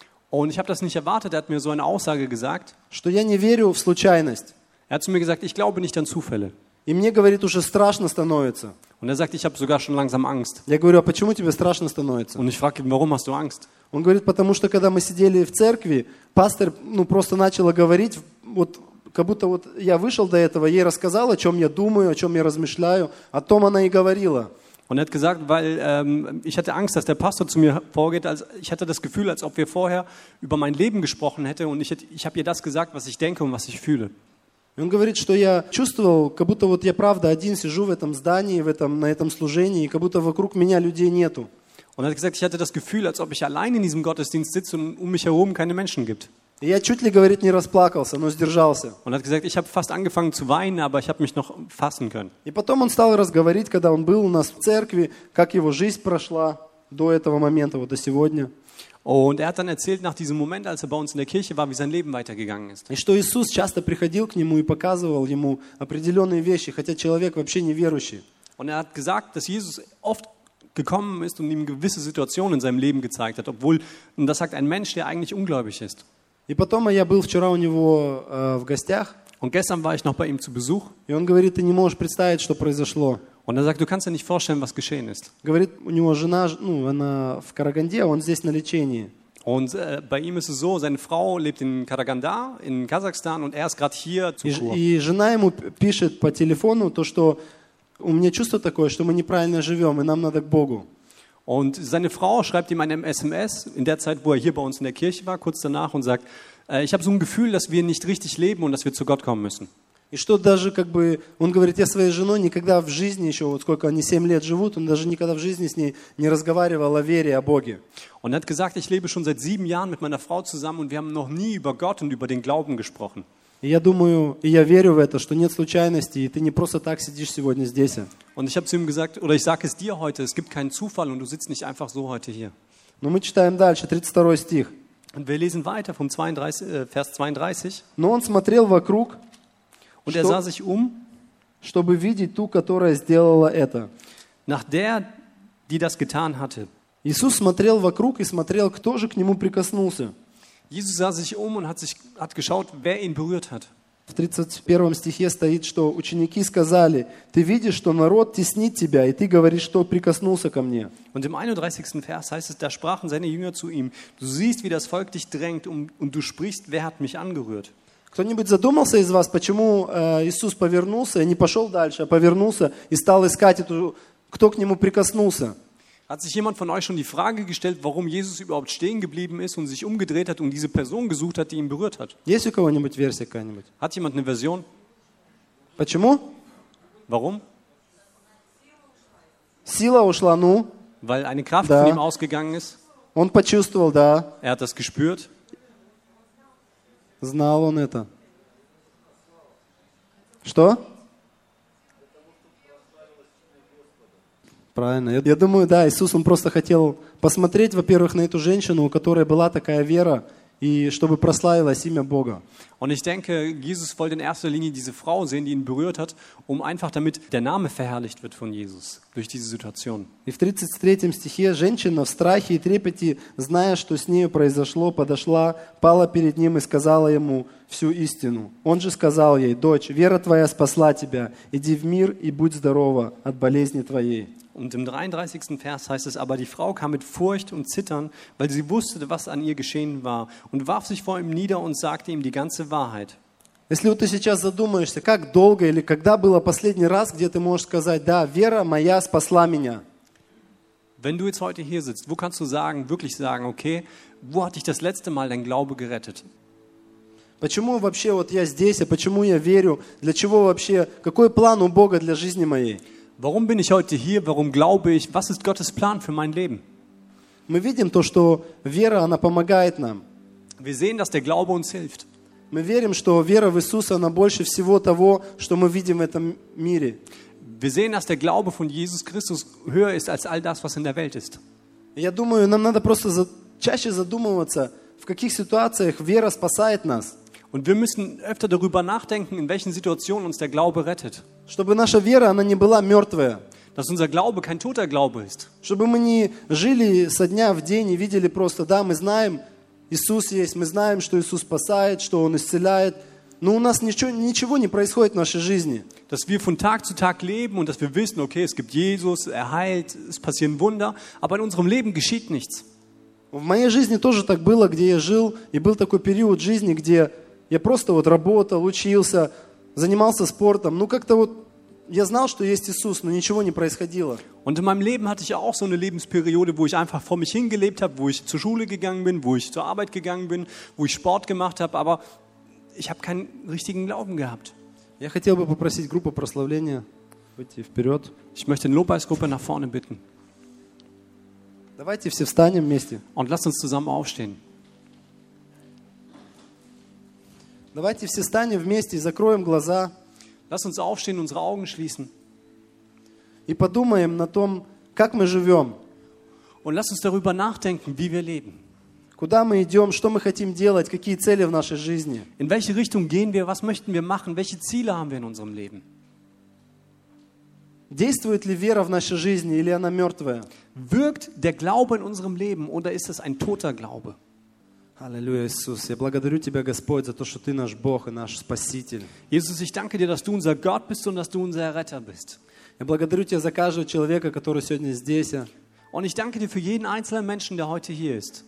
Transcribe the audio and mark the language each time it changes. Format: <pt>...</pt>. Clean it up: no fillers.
<de>Und ich habe das nicht erwartet, er hat mir so eine Aussage gesagt. Er hat zu mir gesagt, ich glaube nicht an Zufälle. Und er sagt, ich habe sogar schon langsam Angst. Und ich frage ihn, warum hast du Angst?</de> <ru>Он говорит, потому что когда мы сидели в церкви, пастор ну просто начал говорить вот. Как будто вот я вышел до этого, ей рассказал, о чем я думаю, о чем я размышляю, о том она и говорила.</ru> <de>Und er hat gesagt, weil ich hatte Angst, dass der Pastor zu mir vorgeht, als ich hatte das Gefühl, als ob wir vorher über mein Leben gesprochen hätte und ich habe ihr das gesagt, was ich denke und was ich fühle.</de> <ru>Он говорит, что я чувствовал, как будто вот я правда один сижу в этом здании, в этом на этом служении, и как будто вокруг меня людей нету.</ru> <de>Und er hat gesagt, ich hatte das Gefühl, als ob ich allein in diesem Gottesdienst sitze und um mich herum keine Menschen gibt.</de> <ru>Я чуть ли, говорит, не расплакался, но сдержался. Он сказал,</ru> <de>ich habe fast angefangen zu weinen, aber ich habe mich noch fassen können.</de> <ru>И потом он стал разговаривать, когда он был у нас в церкви, как его жизнь прошла до этого момента, вот до сегодня.</ru> <de>Und er hat dann erzählt nach diesem Moment, als er bei uns in der Kirche war, wie sein Leben weitergegangen ist.</de> <ru>И что Иисус часто приходил к нему и показывал ему определенные вещи, хотя человек вообще не верующий.</ru> <de>Und er hat gesagt, dass Jesus oft gekommen ist und ihm gewisse Situationen in seinem Leben gezeigt hat, obwohl, und das sagt ein Mensch, der eigentlich ungläubig ist.</de> <ru>И потом я был вчера у него в гостях.</ru> <de>Und gestern war ich noch bei ihm zu Besuch.</de> <ru>И он говорит, ты не можешь представить, что произошло.</ru> <de>Und er sagt, du kannst dir nicht vorstellen, was geschehen ist.</de> <ru>Говорит, у него жена, ну, она в Караганде, он здесь на лечении.</ru> <de>Und bei ihm ist es so, seine Frau lebt in Karaganda, in Kasachstan, und er ist gerade hier zu Kur.</de> <ru>И жена ему пишет по телефону то, что у меня чувство такое, что мы неправильно живем, и нам надо к Богу.</ru> <de>Und seine Frau schreibt ihm eine SMS in der Zeit, wo er hier bei uns in der Kirche war, kurz danach, und sagt, ich habe so ein Gefühl, dass wir nicht richtig leben und dass wir zu Gott kommen müssen.</de> <ru>И что даже как бы он говорит, я своей женой никогда в жизни еще вот сколько они 7 лет живут, он даже никогда в жизни с ней не разговаривал о вере, о Боге.</ru> <de>Und er hat gesagt, ich lebe schon seit 7 Jahren mit meiner Frau zusammen und wir haben noch nie über Gott und über den Glauben gesprochen.</de> <ru>И я думаю, и я верю в это, что нет случайности, и ты не просто так сидишь сегодня здесь.</ru> <de>Und ich habe zu ihm gesagt, oder ich sage es dir heute, es gibt keinen Zufall und du sitzt nicht einfach so heute hier.</de> <ru>Но мы читаем дальше, 32 стих.</ru> <de>Und wir lesen weiter vom 32, Vers 32.</de> <ru>Но он смотрел вокруг,</ru> <de>und er sah sich um,</de> <ru>чтобы видеть ту, которая сделала это.</ru> <de>Nach der, die das getan hatte.</de> <ru>Иисус смотрел вокруг и смотрел, кто же к нему прикоснулся.</ru> <de>Jesus sah sich um und hat geschaut, wer ihn berührt hat.</de> <ru>В 31 стихе стоит, что ученики сказали: "Ты видишь, что народ теснит тебя, и ты говоришь, что прикоснулся ко мне?"</ru> <de>Und im 31. Vers heißt es, da sprachen seine Jünger zu ihm: "Du siehst, wie das Volk dich drängt, und du sprichst, wer hat mich angerührt?"</de> <ru>Кто-нибудь задумался из вас, почему Иисус повернулся и не пошел дальше, а повернулся и стал искать эту, кто к нему прикоснулся?</ru> <de>Hat sich jemand von euch schon die Frage gestellt, warum Jesus überhaupt stehen geblieben ist und sich umgedreht hat und diese Person gesucht hat, die ihn berührt hat?</de> <ru>Есть у кого-нибудь версия какая-нибудь?</ru> <de>Hat jemand eine Version?</de> <ru>Почему?</ru> <de>Warum?</de> <ru>Сила ушла, ну?</ru> <de>Weil eine Kraft von ihm ausgegangen ist.</de> <ru>Он почувствовал, да.</ru> <de>Er hat das gespürt.</de> <ru>Знал он это. Что? Правильно. Я думаю, да, Иисус, он просто хотел посмотреть, во-первых, на эту женщину, у которой была такая вера, и чтобы прославилось имя Бога.</ru> <de>Und ich denke, Jesus wollte in erster Linie diese Frau sehen, die ihn berührt hat, um einfach damit der Name verherrlicht wird von Jesus durch diese Situation.</de> <ru>И в 33 стихе женщина в страхе и трепете, зная, что с нею произошло, подошла, пала перед ним и сказала ему всю истину. Он же сказал ей: "Дочь, вера твоя спасла тебя. Иди в мир и будь здорова от болезни твоей."</ru> <de>Und im 33. Vers heißt es, aber die Frau kam mit Furcht und Zittern, weil sie wusste, was an ihr geschehen war, und warf sich vor ihm nieder und sagte ihm die ganze Wahrheit.</de> <ru>Если вот ты сейчас задумаешься, как долго или когда было последний раз, где ты можешь сказать: "Да, вера моя спасла меня"?</ru> <de>Wenn du jetzt heute hier sitzt, wo kannst du sagen, wirklich sagen, okay, wo hat dich das letzte Mal dein Glaube gerettet?</de> <ru>Почему вообще вот я здесь, а почему я верю? Для чего вообще? Какой план у Бога для жизни моей?</ru> <de>Warum bin ich heute hier? Warum glaube ich? Was ist Gottes Plan für mein Leben?</de> <ru>Мы видим то, что вера, она помогает нам.</ru> <de>Wir sehen, dass der Glaube uns hilft.</de> <ru>Мы верим, что вера в Иисуса, она больше всего того, что мы видим в этом мире.</ru> <de>Wir sehen, dass der Glaube von Jesus Christus höher ist als all das, was in der Welt ist.</de> <ru>Я думаю, нам надо просто чаще задумываться, в каких ситуациях вера спасает нас.</ru> <de>Und wir müssen öfter darüber nachdenken, in welchen Situationen uns der Glaube rettet.</de> <ru>Чтобы наша вера, она не была мертвая.</ru> <de>Dass unser Glaube kein toter Glaube ist.</de> <ru>Чтобы мы не жили со дня в день и видели просто: "Да, мы знаем, Иисус есть, мы знаем, что Иисус спасает, что Он исцеляет", но у нас ничего не происходит в нашей жизни.</ru> <de>Dass wir von Tag zu Tag leben und dass wir wissen, okay, es gibt Jesus, er heilt, es passieren Wunder, aber in unserem Leben geschieht nichts.</de> <ru>В моей жизни тоже так было, где я жил, и был такой период жизни, где я просто вот работал, учился, занимался спортом. Ну как-то вот я знал, что есть Иисус, но ничего не происходило.</ru> <de>Und in meinem Leben hatte ich auch so eine Lebensperiode, wo ich einfach vor mich hingelebt habe, wo ich zur Schule gegangen bin, wo ich zur Arbeit gegangen bin, wo ich Sport gemacht habe, aber ich habe keinen richtigen Glauben gehabt.</de> <ru>Я хотел бы попросить группу прославления выйти вперед.</ru> <de>Ich möchte die Lobpreisgruppe nach vorne bitten.</de> <ru>Давайте все встанем вместе.</ru> <de>Und lasst uns zusammen aufstehen.</de> <ru>Давайте все встанем вместе и закроем глаза.</ru> <de>Lass uns aufstehen, unsere Augen schließen.</de> <ru>И подумаем на том, как мы живем.</ru> <de>Und lass uns darüber nachdenken, wie wir leben.</de> <ru>Куда мы идем, что мы хотим делать, какие цели в нашей жизни.</ru> <de>In welche Richtung gehen wir, was möchten wir machen, welche Ziele haben wir in unserem Leben?</de> <ru>Действует ли вера в нашей жизни или она мертвая?</ru> <de>Wirkt der Glaube in unserem Leben oder ist es ein toter Glaube?</de> <ru>Аллилуйя, Иисус. Я благодарю Тебя, Господь, за то, что Ты наш Бог и наш Спаситель.</ru> <de>Jesus, ich danke dir, dass du unser Gott bist und dass du unser Retter bist.</de> <ru>Я благодарю Тебя за каждого человека, который сегодня здесь.</ru> <de>Und ich danke dir für jeden einzelnen Menschen, der heute hier ist.</de>